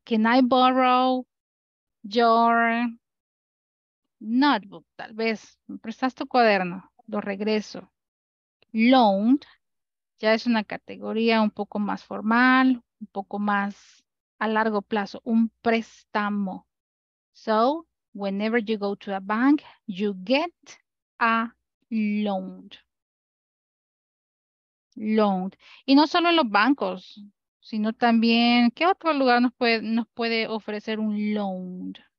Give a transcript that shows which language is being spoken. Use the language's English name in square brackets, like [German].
[English] Can I borrow your notebook? [Spanish] Tal vez. ¿Me prestas tu cuaderno? Lo regreso. Loaned. Ya es una categoría un poco más formal, un poco más a largo plazo, un préstamo. [English] So, whenever you go to a bank, you get a loan. Loan. [Spanish] Y no solo en los bancos, sino también, ¿qué otro lugar nos puede ofrecer un loan?